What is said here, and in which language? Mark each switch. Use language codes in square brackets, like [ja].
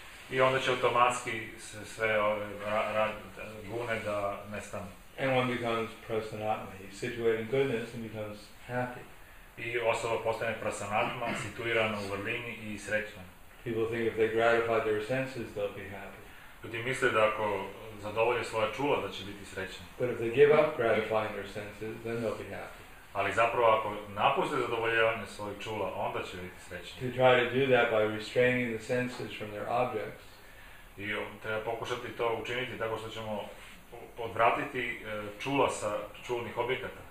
[hr] I onda će automatski sve ove gune da nestanu. [en] And one becomes prasanatma, he's situated in goodness and becomes happy. [hr] I osoba postane prasanatma, situirana u vrlini i srećna. [en] People think if they gratify their senses, they'll be happy. [hr] Ljudi misle da ako zadovolje svoja čula da će biti srećni. [en] But if they give up gratifying their senses, then they'll be happy. [hr] Ali zapravo ako napuste zadovoljavanje svojih čula, onda će biti srećni. [en] To try to do that by restraining the senses from their objects. [hr] I treba pokušati to učiniti tako što ćemo odvratiti čula sa čulnih objekata.